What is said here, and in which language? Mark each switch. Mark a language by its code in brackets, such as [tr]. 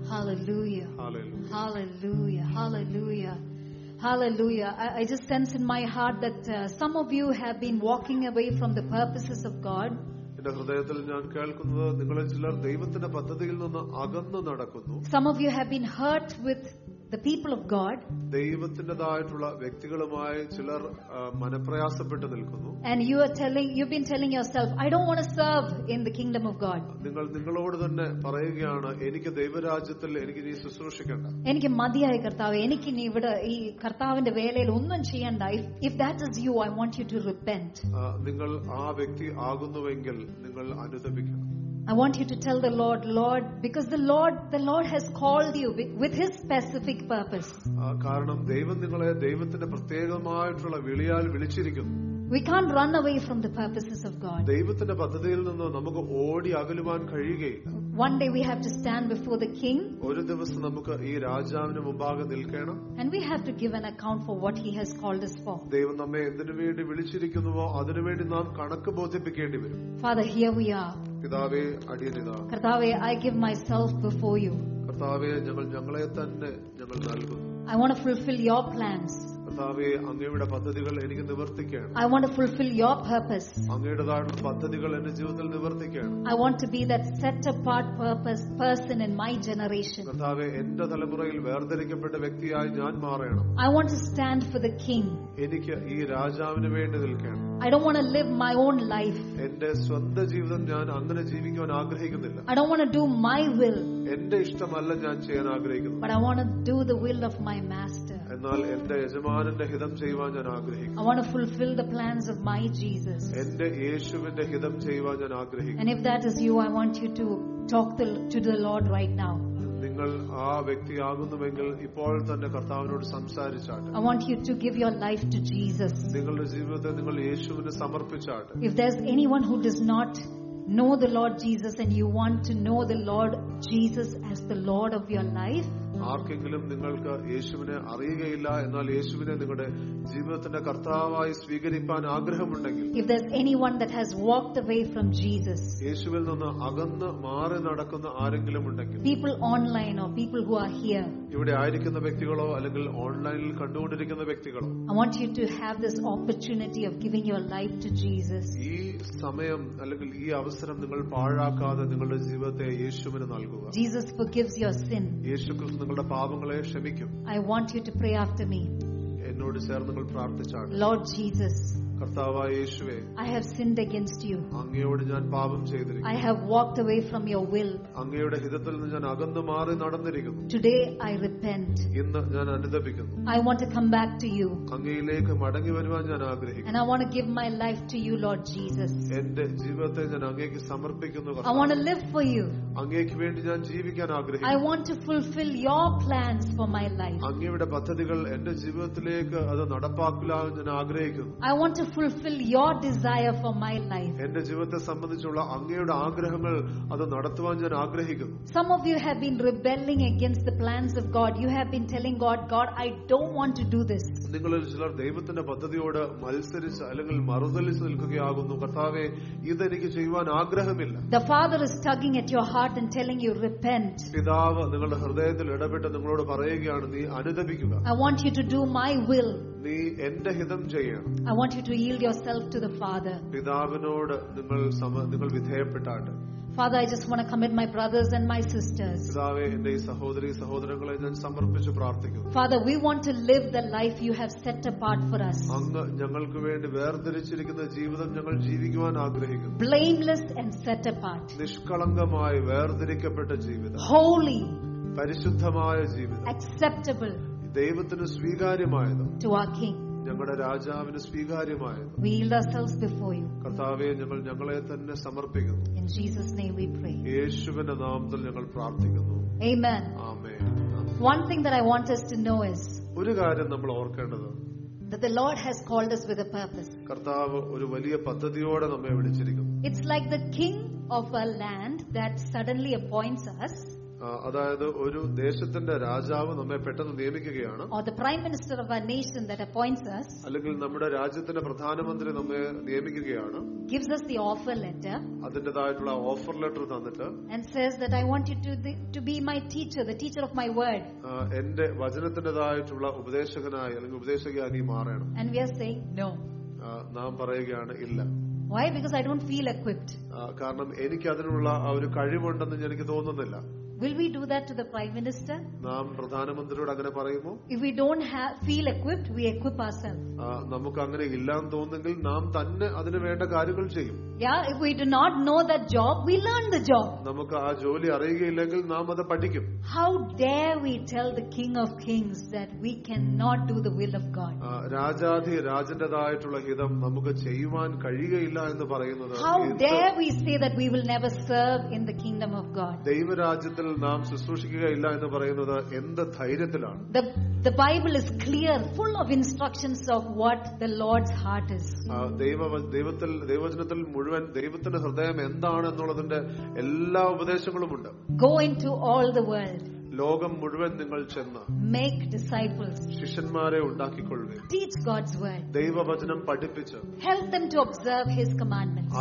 [en] Hallelujah. Hallelujah. Hallelujah. Hallelujah. Hallelujah. I just sense in my heart that some of you have been walking away from the purposes of God. [ml] എന്റെ ഹൃദയത്തിൽ ഞാൻ കേൾക്കുന്നത് നിങ്ങളെ ചിലർ ദൈവത്തിന്റെ പദ്ധതിയിൽ നിന്ന് അകന്നു നടക്കുന്നു. [en] Some of you have been hurt with the people of God. [ml] ദൈവത്തിന്റേതായിട്ടുള്ള വ്യക്തികളുമായി ചിലർ മനപ്രയാസപ്പെട്ടു നിൽക്കുന്നു. [en] And you are telling, you've been telling yourself, I don't want to serve in the kingdom of God. [ml] നിങ്ങൾ നിങ്ങളോട് തന്നെ പറയുകയാണ്, എനിക്ക് ദൈവരാജ്യത്തിൽ എനിക്ക് ഇനി ശുശ്രൂഷിക്കണ്ട, എനിക്ക് മതിയായ കർത്താവ്, എനിക്ക് ഇനി ഇവിടെ ഈ കർത്താവിന്റെ വേലയിൽ ഒന്നും ചെയ്യണ്ട. [en] If that is you, I want you to repent. [ml] നിങ്ങൾ ആ വ്യക്തി ആകുന്നുവെങ്കിൽ നിങ്ങൾ അനുതപിക്കണം. [en] I want you to tell the Lord, Lord, because the Lord has called you with his specific purpose. [ml] കാരണം ദൈവം നിങ്ങളെ ദൈവത്തിന്റെ പ്രത്യേകമായിട്ടുള്ള വിളിയാൽ വിളിച്ചിരിക്കുന്നു. [en] We can't run away from the purposes of God. [ml] ദൈവത്തിന്റെ പദ്ധതിയിൽ നിന്ന് നമുക്ക് ഓടി അകലുവാൻ കഴിയുകയില്ല. [en] One day we have to stand before the king. [ml] ഒരു ദിവസം നമുക്ക് ഈ രാജാവിന്റെ മുമ്പാകെ നിൽക്കണം. [en] And we have to give an account for what he has called us for. [ml] ദൈവം നമ്മെ എന്തിനു വേണ്ടി വിളിച്ചിരിക്കുന്നുവോ അതിനു വേണ്ടി നാം കണക്ക് ബോധിപ്പിക്കേണ്ടി വരും. [en] Father, here we are. [ml] പിതാവേ, അടിയനിത [en] കർത്താവേ, I give myself before you. [ml] കർത്താവേ, ഞങ്ങളെ തന്നെ ഞങ്ങൾ നൽകുന്നു. [en] I want to fulfill your plans. [ml] കർത്താവേ, അങ്ങയുടെ പദ്ധതികൾ എനിക്ക് നിവർത്തിക്കണം. [en] I want to fulfill your purpose. [ml] അങ്ങയുടേതായിട്ടുള്ള പദ്ധതികൾ എന്റെ ജീവിതത്തിൽ നിവർത്തിക്കണം. [en] I want to be that set apart purpose person in my generation. [ml] കർത്താവേ, എന്റെ തലമുറയിൽ വേർതിരിക്കപ്പെട്ട വ്യക്തിയായി ഞാൻ മാറണം. [en] I want to stand for the king. [ml] എനിക്ക് ഈ രാജാവിന് വേണ്ടി നിൽക്കണം. [en] I don't want to live my own life. [ml] എന്റെ സ്വന്തം ജീവിതം ഞാൻ അങ്ങനെ ജീവിക്കാൻ ആഗ്രഹിക്കുന്നില്ല. [en] I don't want to do my will. [ml] എന്റെ ഇഷ്ടമല്ല ഞാൻ ചെയ്യാൻ ആഗ്രഹിക്കുന്നത്. [en] But I want to do the will of my master. [ml] എന്നാൽ എന്റെ യജമാനന്റെ ഹിതം ചെയ്യാൻ ഞാൻ ആഗ്രഹിക്കുന്നു. [en] I want to fulfill the plans of my Jesus. [ml] എന്റെ യേശുവിന്റെ ഹിതം ചെയ്യാൻ ഞാൻ ആഗ്രഹിക്കുന്നു. [en] And if that is you, I want you to talk to the Lord right now. [ml] നിങ്ങൾ ആ വ്യക്തിയാകുന്നുവെങ്കിൽ ഇപ്പോൾ തന്നെ കർത്താവിനോട് സംസാരിച്ചാട്ടെ. [en] I want you to give your life to Jesus. [ml] നിങ്ങളുടെ ജീവിതത്തെ നിങ്ങൾ യേശുവിനെ സമർപ്പിച്ചാട്ടെ. [en] If there's anyone who does not know the Lord Jesus and you want to know the Lord Jesus as the Lord of your life, [ml] ആർക്കെങ്കിലും നിങ്ങൾക്ക് യേശുവിനെ അറിയുകയില്ല, എന്നാൽ യേശുവിനെ നിങ്ങളുടെ ജീവിതത്തിന്റെ കർത്താവായി സ്വീകരിക്കാൻ ആഗ്രഹമുണ്ടെങ്കിൽ, [en] if there's anyone that has walked away from Jesus, [ml] യേശുവിൽ നിന്ന് അകന്ന് മാറി നടക്കുന്ന ആരെങ്കിലും ഉണ്ടെങ്കിൽ, [en] people online or people who are here, [ml] ഇവിടെ ആയിരിക്കുന്ന വ്യക്തികളോ അല്ലെങ്കിൽ ഓൺലൈനിൽ കണ്ടുകൊണ്ടിരിക്കുന്ന വ്യക്തികളോ, [en] I want you to have this opportunity of giving your life to Jesus. [ml] ഈ സമയം അല്ലെങ്കിൽ ഈ അവസരം നിങ്ങൾ പാഴാക്കാതെ നിങ്ങളുടെ ജീവിതത്തെ യേശുവിന് നൽകുക. [en] Jesus forgives your sin. [ml] യേശുക്രിസ്തു നിങ്ങളുടെ പാപങ്ങളെ ക്ഷമിക്കും. [en] I want you to pray after me. [ml] എന്നോട് ചേർന്ന് നിങ്ങൾ പ്രാർത്ഥിച്ചാട്ടെ. [en] Lord Jesus. [ml] കർത്താവായ യേശുവേ. [en] I have sinned against you. [ml] അങ്ങയോട് ഞാൻ പാപം ചെയ്തിരിക്കുന്നു. [en] I have walked away from your will. [ml] അങ്ങയുടെ ഹിതത്തിൽ നിന്ന് ഞാൻ അകന്നു മാറി നടന്നിരിക്കുന്നു. [en] Today I repent. [ml] ഇന്ന് ഞാൻ അനുതപിക്കുന്നു. [en] I want to come back to you. [ml] അങ്ങയിലേക്ക് മടങ്ങി വരുവാൻ ഞാൻ ആഗ്രഹിക്കുന്നു. [en] And I want to give my life to you, Lord Jesus. [ml] എന്റെ ജീവിതത്തെ ഞാൻ അങ്ങേക്ക് സമർപ്പിക്കുന്നു. [en] I want to live for you. [ml] അങ്ങേക്ക് വേണ്ടി ഞാൻ ജീവിക്കാൻ ആഗ്രഹിക്കുന്നു. [en] I want to fulfill your plans for my life. [ml] അങ്ങയുടെ പദ്ധതികൾ എന്റെ ജീവിതത്തിലേക്ക് അത് നടപ്പാക്കാൻ ഞാൻ ആഗ്രഹിക്കുന്നു. [en] I want to fulfill your desire for my life. [ml] എന്റെ ജീവിതത്തെ സംബന്ധിച്ചുള്ള അങ്ങയുടെ ആഗ്രഹങ്ങൾ അത് നടത്തുവാൻ ഞാൻ ആഗ്രഹിക്കുന്നു. [en] Some of you have been rebelling against the plans of God. You have been telling God, God, I don't want to do this. [ml] നിങ്ങളിൽ ചിലർ ദൈവത്തിന്റെ പദ്ധതിയോട് മത്സരിച്ച് അല്ലെങ്കിൽ മറുതലിച്ച് നിൽക്കുകയാകുന്നു. കർത്താവെ, ഇതെനിക്ക് ചെയ്യുവാൻ ആഗ്രഹമില്ല. [en] The Father is tugging at your heart and telling you, repent. [ml] പിതാവ് നിങ്ങളുടെ ഹൃദയത്തിൽ ഇടപെട്ട് നിങ്ങളോട് പറയുകയാണ്, നീ അനുതപിക്കുക. [en] I want you to do my will. [ml] നീ എന്റെ ഹിതം ചെയ്യണം. [en] I want you to yield yourself to the Father. [ml] പിതാവിനോട് നിങ്ങൾ വിധേയപ്പെട്ടാട്ടെ. [en] Father, I just want to commit my brothers and my sisters. [ml] പിതാവേ, എന്റെ സഹോദരീ സഹോദരങ്ങളെ ഞാൻ സമർപ്പിച്ച് പ്രാർത്ഥിക്കുന്നു. [en] Father, we want to live the life you have set apart for us. [ml] അങ്ങ് ഞങ്ങൾക്ക് വേണ്ടി വേർതിരിച്ചിരിക്കുന്ന ജീവിതം ഞങ്ങൾ ജീവിക്കുവാൻ ആഗ്രഹിക്കുന്നു. [en] Blameless and set apart. [ml] നിഷ്കളങ്കമായി വേർതിരിക്കപ്പെട്ട ജീവിതം. [en] Holy. [ml] പരിശുദ്ധമായ ജീവിതം. [en] Acceptable. [ml] ദൈവത്തിന് സ്വീകാര്യമായത്. [en] To our King. [ml] ഞങ്ങളുടെ രാജാവിന് സ്വീകാര്യമായത്. [en] We yield ourselves before you. [ml] കർത്താവേ, ഞങ്ങൾ ഞങ്ങളെ തന്നെ സമർപ്പിക്കുന്നു. [en] In Jesus' name we pray. [ml] യേശുവിന്റെ നാമത്തിൽ ഞങ്ങൾ പ്രാർത്ഥിക്കുന്നു. [en] Amen. Amen. One thing that I want us to know is [ml] ഒരു കാര്യം നമ്മൾ ഓർക്കേണ്ടത് [en] that the Lord has called us with a purpose. [ml] കർത്താവ് ഒരു വലിയ പദ്ധതിയോടെ നമ്മെ വിളിച്ചിരിക്കുന്നു. [en] It's like the king of a land that suddenly appoints us. [ml] അതായത് ഒരു ദേശത്തിന്റെ രാജാവ് നമ്മെ പെട്ടെന്ന് നിയമിക്കുകയാണ്. [en] Or the prime minister of a nation that appoints us. [ml] അല്ലെങ്കിൽ നമ്മുടെ രാജ്യത്തിന്റെ പ്രധാനമന്ത്രി നമ്മെ നിയമിക്കുകയാണ്. [en] Gives us the offer letter. [ml] അതിന്റേതായിട്ടുള്ള ഓഫർ ലെറ്റർ തന്നിട്ട് [en] and says that I want you to be my teacher, the teacher of my word. [ml] എന്റെ വചനത്തിന്റേതായിട്ടുള്ള ഉപദേശകനായി അല്ലെങ്കിൽ ഉപദേശകയായി മാറണം. [en] And we are saying no. [ml] നാം പറയുകയാണ് ഇല്ല. [en] Why? Because I don't feel equipped. [ml] കാരണം എനിക്ക് അതിനുള്ള ആ ഒരു കഴിവുണ്ടെന്ന് എനിക്ക് തോന്നുന്നില്ല. [en] Will we do that to the prime minister? [ml] നാം പ്രധാനമന്ത്രിയോട് അങ്ങനെ പറയുമോ? [en] If we don't feel equipped, we equip ourselves. [ml] നമുക്ക് അങ്ങനെ ഇല്ലാന്ന് തോന്നുന്നെങ്കിൽ നാം തന്നെ അതിനു വേണ്ട കാര്യങ്ങൾ ചെയ്യും. [en] Yeah, if we do not know that job, we learn the job. [ml] നമുക്ക് ആ ജോലി അറിയുകയില്ലെങ്കിൽ നാം അത് പഠിക്കും. [en] How dare we tell the king of kings that we cannot do the will of God? [ml] Rajadhi രാജന്റേതായിട്ടുള്ള ഹിതം നമുക്ക് ചെയ്യുവാൻ കഴിയുകയില്ല എന്ന് പറയുന്നത്. [en] How dare we say that we will never serve in the kingdom of God? [ml] ദൈവരാജ്യത്തിൽ നാം ശുശ്രൂഷിക്കുക ഇല്ല എന്ന് പറയുന്നത് എന്ത് ധൈര്യത്തിലാണ്. [en] The Bible is clear, full of instructions of what the Lord's heart is. [ml] ദൈവവചനത്തിൽ മുഴുവൻ ദൈവത്തിന്റെ ഹൃദയം എന്താണ് എന്നുള്ളതിന്റെ എല്ലാ ഉപദേശങ്ങളും ഉണ്ട്. [en] Go into all the world. [ml] ലോകം മുഴുവൻ നിങ്ങൾ ചെന്ന് [en] make disciples [ml] ശിഷ്യന്മാരെ ഉണ്ടാക്കിക്കൊള്ളുക. [en] teach God's word [ml] ദൈവവചനം പഠിപ്പിച്ച് [en] help them to observe his commandments